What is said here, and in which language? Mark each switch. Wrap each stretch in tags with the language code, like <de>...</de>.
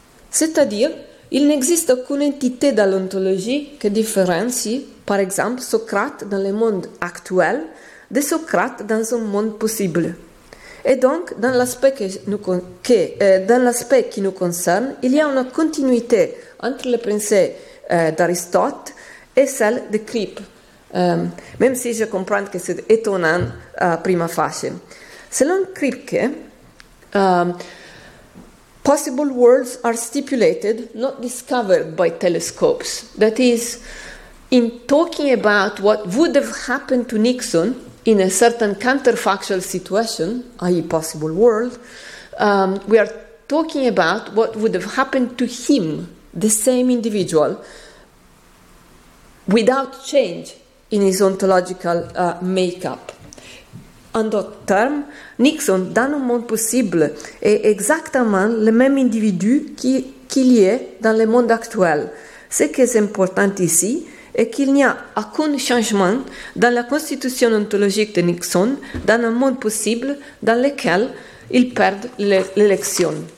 <fr>C'est-à-dire, il n'existe aucune entité dans l'ontologie qui différencie, par exemple, Socrate dans le monde actuel de Socrate dans un monde possible. Et donc, dans l'aspect qui nous concerne, il y a une continuité entre les pensées d'Aristote et celles de Krip, même si je comprends que c'est étonnant à prima facie.</fr> <en>Selon Kripke, possible worlds are stipulated, not discovered by telescopes. That is, in talking about what would have happened to Nixon in a certain counterfactual situation, i.e. possible world, we are talking about what would have happened to him, the same individual, without change in his ontological makeup.</en> <fr>En d'autres termes, Nixon, dans le monde possible, est exactement le même individu qu'il y est dans le monde actuel. Ce qui est important ici est qu'il n'y a aucun changement dans la constitution ontologique de Nixon dans un monde possible dans lequel il perd l'élection.</fr>